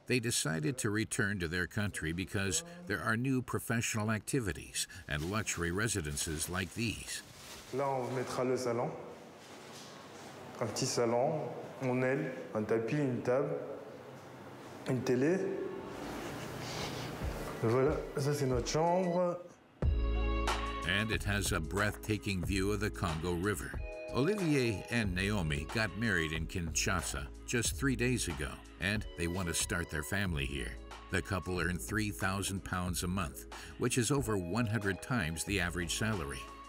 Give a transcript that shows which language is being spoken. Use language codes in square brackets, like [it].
[en] They decided to return to their country because there are new professional activities and luxury residences like these. [fr] Là, on mettra le salon. Un petit salon, mon aile, un tapis, une table, une télé. Voilà, ça c'est notre chambre. [en] And it has a breathtaking view of the Congo River. Olivier and Naomi got married in Kinshasa just 3 days ago, and they want to start their family here. The couple earn £3,000 a month, which is over 100 times the average salary.